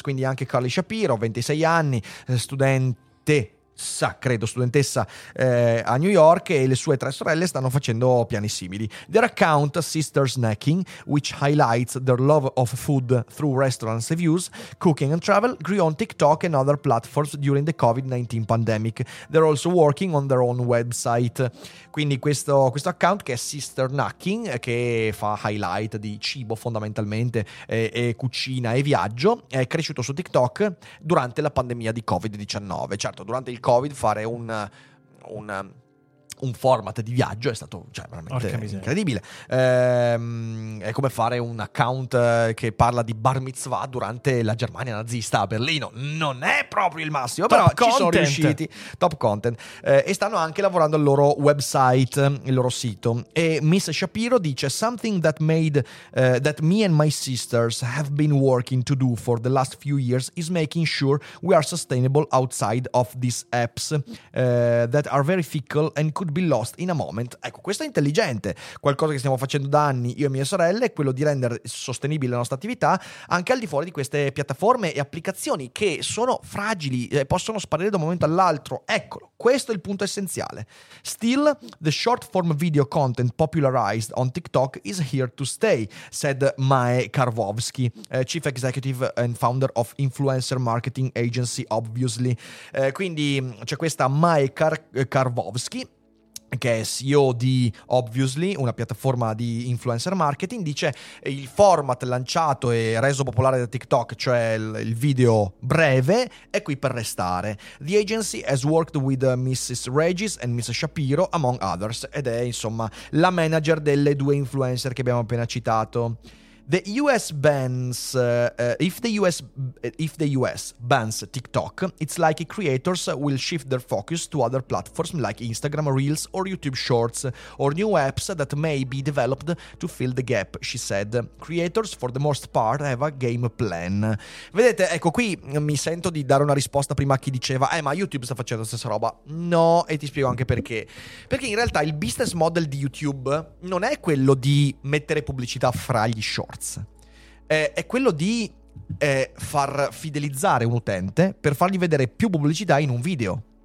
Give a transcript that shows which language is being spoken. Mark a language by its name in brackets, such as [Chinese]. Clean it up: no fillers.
[Italian] Quindi anche Carly Shapiro, 26 anni, studentessa a New York, e le sue tre sorelle stanno facendo piani simili. [English] Their account, Sister Snacking, which highlights their love of food through restaurants, reviews, cooking and travel, grew on TikTok and other platforms during the COVID-19 pandemic. They're also working on their own website. [Italian] Quindi questo account, che è Sister Snacking, che fa highlight di cibo fondamentalmente e cucina e viaggio, è cresciuto su TikTok durante la pandemia di COVID-19. Certo, durante il COVID fare un format di viaggio è stato, cioè, veramente incredibile. È come fare un account che parla di bar mitzvah durante la Germania nazista a Berlino. Non è proprio il massimo, top, però content. Ci sono riusciti. [English] Top content. [Italian] E stanno anche lavorando al loro website, il loro sito. E Miss Shapiro dice: [English] "Something that made that me and my sisters have been working to do for the last few years is making sure we are sustainable outside of these apps that are very fickle and could be lost in a moment." [Italian] Ecco, questo è intelligente. Qualcosa che stiamo facendo da anni io e mie sorelle è quello di rendere sostenibile la nostra attività anche al di fuori di queste piattaforme e applicazioni che sono fragili e possono sparire da un momento all'altro. Eccolo, questo è il punto essenziale. [English] "Still, the short form video content popularized on TikTok is here to stay," said Mae Karwowski, chief executive and founder of influencer marketing agency Obviously. [Italian] Quindi c'è questa Mae Karwowski, che è CEO di Obviously, una piattaforma di influencer marketing. Dice: "Il format lanciato e reso popolare da TikTok, cioè il video breve, è qui per restare. [English] The agency has worked with Mrs. Regis and Mrs. Shapiro, among others." [Italian] Ed è, insomma, la manager delle due influencer che abbiamo appena citato. [English] The US bans if the US bans TikTok, it's like creators will shift their focus to other platforms like Instagram Reels or YouTube Shorts or new apps that may be developed to fill the gap, she said. Creators for the most part have a game plan. [Italian] Vedete, ecco qui mi sento di dare una risposta prima a chi diceva ma YouTube sta facendo la stessa roba. No, e ti spiego anche perché in realtà il business model di YouTube non è quello di mettere pubblicità fra gli shorts, è quello di far fidelizzare un utente per fargli vedere più pubblicità in un video.